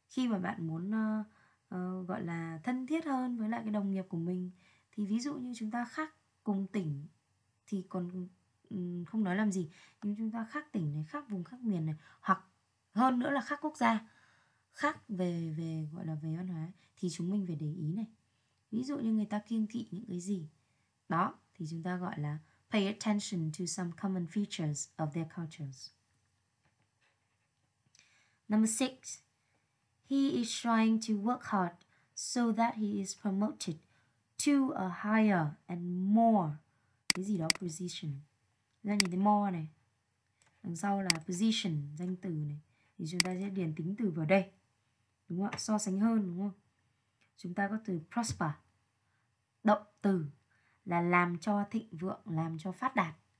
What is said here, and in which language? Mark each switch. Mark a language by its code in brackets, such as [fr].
[vi] Khi mà bạn muốn gọi là thân thiết hơn với lại cái đồng nghiệp của mình, thì ví dụ như chúng ta khác cùng tỉnh thì còn không nói làm gì, nhưng chúng ta khác tỉnh này, khác vùng, khác miền này, hoặc hơn nữa là khác quốc gia, khác về gọi là về văn hóa, thì chúng mình phải để ý này. Ví dụ như người ta kiêng kỵ những cái gì đó, thì chúng ta gọi là [en] pay attention to some common features of their cultures. Number 6. He is trying to work hard so that he is promoted to a higher and more. [vi] Cái gì đó? Position. Chúng ta nhìn thấy more này. Đằng sau là position, danh từ này. Thì chúng ta sẽ điền tính từ vào đây. Đúng không ạ? So sánh hơn, đúng không? Chúng ta có từ prosper. Động từ. Là làm cho thịnh vượng, làm cho phát đạt.